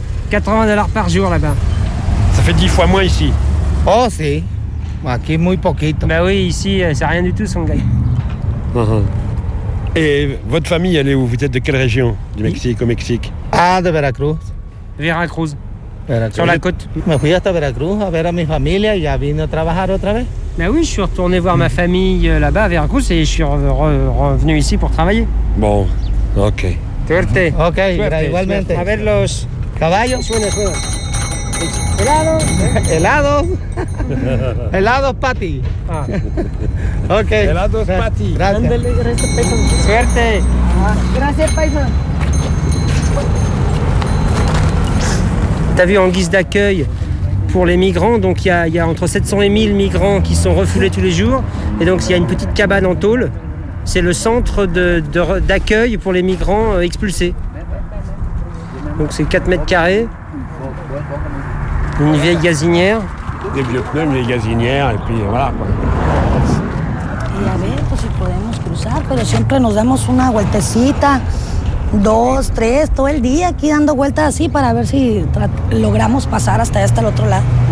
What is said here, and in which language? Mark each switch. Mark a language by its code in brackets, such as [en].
[fr] 80 dollars par jour là-bas. Ça fait 10 fois moins ici. [es] Oh, si. Aquí muy poquito. [fr] Bah oui, ici, c'est rien du tout, son gars. Et votre famille, elle est où? Vous êtes de quelle région du Mexique, au Mexique? Ah, de Veracruz. Veracruz. Veracruz. Sur la côte. [es] Me fui hasta Veracruz a ver a mi familia y ya vine a trabajar otra vez. [fr] Ben oui, je suis retourné voir ma famille là-bas à Veracruz et je suis revenu ici pour travailler. Bon, ok. [es] Suerte. Ok, igualmente. A ver los caballos. Helado. Helado. Helado, Pati. Ah. Ok. Helado, Pati. Gracias. Suerte. Ah. Gracias, paisa. [fr] T'as vu en guise d'accueil pour les migrants, donc il y a entre 700 et 1000 migrants qui sont refoulés tous les jours. Et donc il y a une petite cabane en tôle. C'est le centre d'accueil pour les migrants expulsés. Donc c'est 4 mètres carrés. Une vieille gazinière. Des vieux pneus, une vieille gazinière, et puis voilà quoi. [es] Et à ver, pues, si podemos cruzar, pero siempre nos damos una vueltecita. Dos, tres, todo el día aquí dando vueltas así para ver si logramos pasar hasta el otro lado.